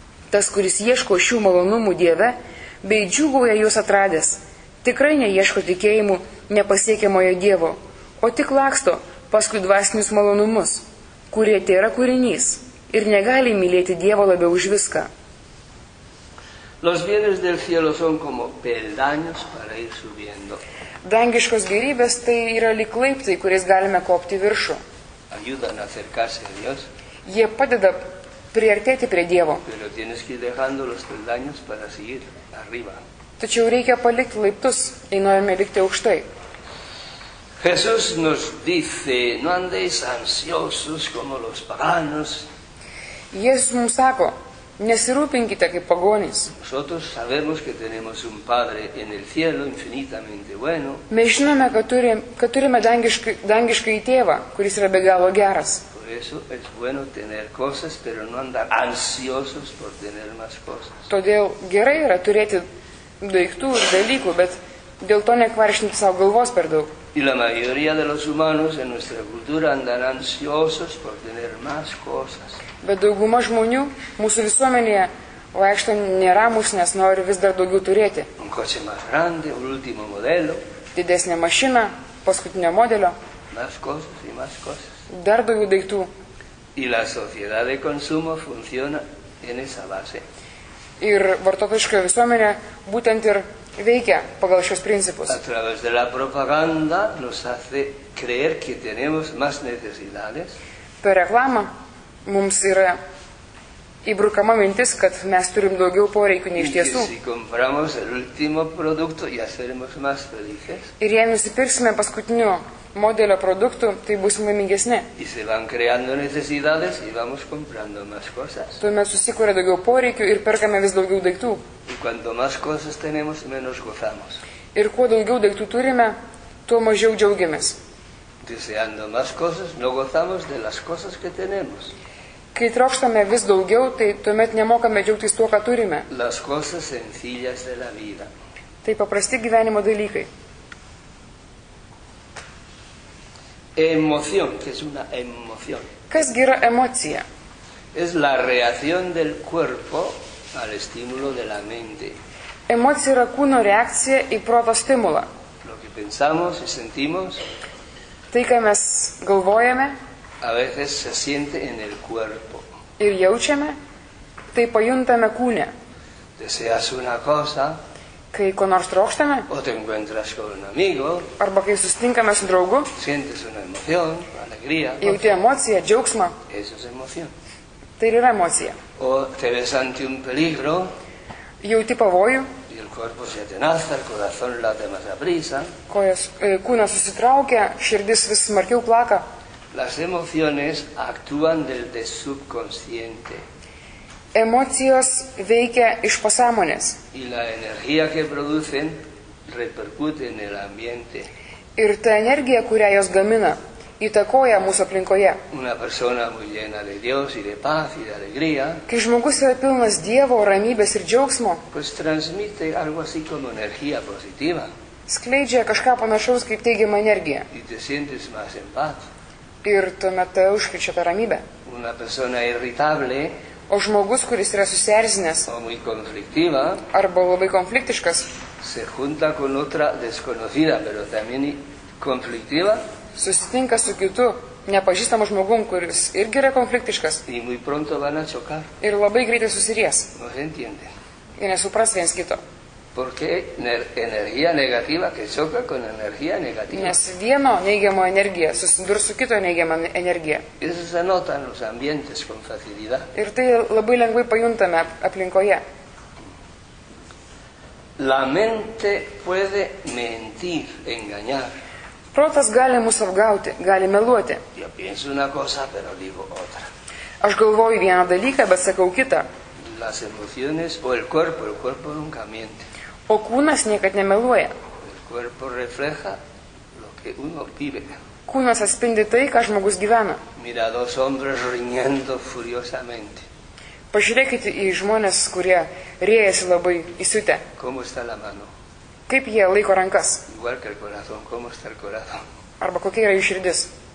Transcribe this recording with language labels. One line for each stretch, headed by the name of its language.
Lithuanian: Tas, kuris ieško šių malonumų Dieve, bei džiugauja juos atradęs, tikrai neieško tikėjimų nepasiekiamojo Dievo, o tik laksto paskui dvasinius malonumus, kurie tai yra kūrinys ir negali mylėti Dievo labiau už viską.
Spanish: Los bienes del cielo son como peldaños para ir subiendo.
Lithuanian: Dangiškos gėrybės tai yra lyg laiptai, kuriais galime kopti viršų.
Spanish: Ayudan a acercarse a Dios.
Lithuanian: Jie padeda priartėti prie Dievo.
Spanish: Pero tienes que ir dejando los peldaños para seguir arriba.
Lithuanian: Tačiau reikia palikti laiptus, einojame likti aukštai.
Spanish: Jesús nos dice, no andéis ansiosos como los paganos.
Lithuanian: Jėzus mums sako, Nesirūpinkite kaip pagonys.
Spanish: Nosotros sabemos que tenemos un padre en el cielo infinitamente bueno.
Lithuanian: Mes žinome, kad turime dangišką į tėvą, kuris yra be galo geras.
Spanish: Por eso es bueno tener cosas, pero no andar ansiosos por tener más cosas.
Lithuanian: Todėl gerai yra turėti daiktų ir dalykų, bet dėl to nekvaršinti savo galvos per daug.
Spanish: Y la mayoría de los humanos en nuestra cultura andan ansiosos por tener más cosas.
Lithuanian: Bet dauguma žmonių mūsų visuomenėje vaikšto neramus, nes nori vis dar daugiau turėti.
Spanish: Un coche más grande, un último modelo.
Lithuanian: Didesnė mašina, paskutinio modelio.
Spanish: Más cosas y más cosas.
Lithuanian: Dar daugiau daiktų.
Spanish: Y la sociedad de consumo funciona en esa base.
Lithuanian: Ir vartotojiška visuomenė būtent ir veikia pagal šios principus.
Spanish: A través de la propaganda nos hace creer que tenemos más necesidades.
Lithuanian: Per reklamą mums yra įbrukama mintis, kad mes turim daugiau poreikių nei iš tiesų.
Spanish: Si compramos el último producto ya seremos más felices.
Lithuanian: Ir jei nusipirksime paskutinio modelio produktų, tai būsime laimingesni.
Spanish: Y se van creando necesidades y vamos comprando más cosas.
Lithuanian: Tuomet susikuria daugiau poreikių ir perkame vis daugiau daiktų.
Spanish: Y cuanto más cosas tenemos, menos gozamos.
Lithuanian: Ir kuo daugiau daiktų turime, tuo mažiau džiaugiamės.
Spanish: Deseando más cosas, no gozamos de las cosas que tenemos.
Lithuanian: Kai trokštame vis daugiau, tai tuomet nemokame džiaugtis tuo, ką turime.
Spanish: Las cosas sencillas de la vida.
Lithuanian: Tai paprasti gyvenimo dalykai.
Spanish: Emoción, que es una emoción.
Lithuanian: Kas gi yra emocija?
Spanish: Es la reacción del cuerpo al estímulo de la mente.
Lithuanian: Emocija yra kūno reakcija į proto stimulą.
Spanish: Lo que pensamos y sentimos.
Lithuanian: Tai, ką mes galvojame.
Spanish: A veces se siente en el cuerpo.
Lithuanian: Ir jaučiame, tai pajuntame kūne.
Spanish: Deseas una cosa.
Lithuanian: Kai ko nors trokštame.
Spanish: O te encuentras con un amigo.
Lithuanian: Arba kai susitinkame su draugu.
Spanish: Sientes una emoción, alegría.
Lithuanian: Jauti emociją, džiaugsmą.
Spanish: Eso es emoción.
Lithuanian: Tai yra emocija.
Spanish: O te ves ante un peligro.
Lithuanian: Jauti pavojų.
Spanish: Y el cuerpo se atenaza, el corazón late más a prisa.
Lithuanian: Kojas, kūna susitraukia, širdis vis smarkiau plaka.
Spanish: Las emociones actúan del de subconsciente.
Lithuanian: Emocijos veikia iš pasąmonės.
Spanish: Y la energía que producen repercute en el ambiente.
Lithuanian: Ir ta energija, kurią jos gamina, įtakoja mūsų aplinkoje.
Spanish: Una persona muy llena de Dios y de paz y de alegría.
Lithuanian: Kai žmogus yra pilnas Dievo, ramybės ir džiaugsmo.
Spanish: Pues transmite algo así como energía positiva.
Lithuanian: Skleidžia kažką panašaus kaip teigiamą energiją.
Spanish: Y te sientes más en paz.
Lithuanian: Ir tuomet tai užkričia tą ramybę.
Spanish: Una persona irritable,
Lithuanian: o žmogus, kuris yra susierzinęs,
Spanish: o muy conflictiva,
Lithuanian: arba labai konfliktiškas,
Spanish: se junta con otra desconocida, pero también conflictiva,
Lithuanian: susitinka su kitu nepažįstamu žmogum, kuris irgi yra konfliktiškas,
Spanish: y muy pronto van a chocar.
Lithuanian: Ir labai greitai susiries.
Spanish: No se entiende.
Lithuanian: Y nesupras viens kito.
Spanish: Porque energía negativa que choca con energía negativa.
Lithuanian: Nes vieno neigiamo energija susidurs su kito neigiamo energija.
Spanish: Eso se nota en los ambientes con facilidad.
Lithuanian: Ir tai labai lengvai pajuntame aplinkoje.
Spanish: La mente puede mentir, engañar.
Lithuanian: Protas gali mus apgauti, gali meluoti.
Spanish: Yo pienso una cosa, pero digo otra.
Lithuanian: Aš galvoju vieną dalyką, bet sakau kitą.
Spanish: Las emociones o el cuerpo nunca miente.
Lithuanian: O kūnas niekad nemeluoja.
Spanish: El cuerpo refleja lo que uno vive.
Lithuanian: Kūnas atspindi tai, ką žmogus gyvena.
Spanish: Mira dos hombres riñendo furiosamente.
Lithuanian: Pažiūrėkite į žmonės, kurie riejasi labai įsiutę.
Spanish: ¿Cómo está la mano?
Lithuanian: Kaip jie laiko rankas?
Spanish: Igual que el corazón. ¿Cómo está el corazón?
Lithuanian: Arba kokia yra jų širdis?